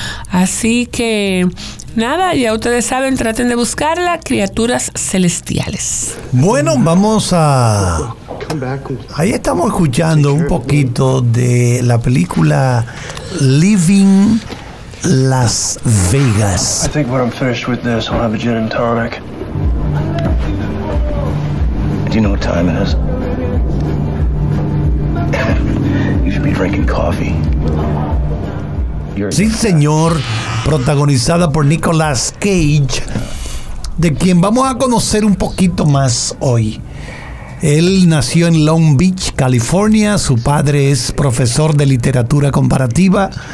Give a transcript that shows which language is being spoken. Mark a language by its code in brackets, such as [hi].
[es] Así que nada, ya ustedes saben, traten de buscarla, Criaturas Celestiales. Bueno, vamos a... Ahí estamos escuchando un poquito de la película Leaving Las Vegas. [en] I think when I'm finished with this, I'll have a gin and tonic. Do you know what time it is? You should be drinking coffee. [es] Sí, señor, protagonizada por Nicolas Cage, de quien vamos a conocer un poquito más hoy. Él nació en Long Beach, California. Su padre es profesor de literatura comparativa.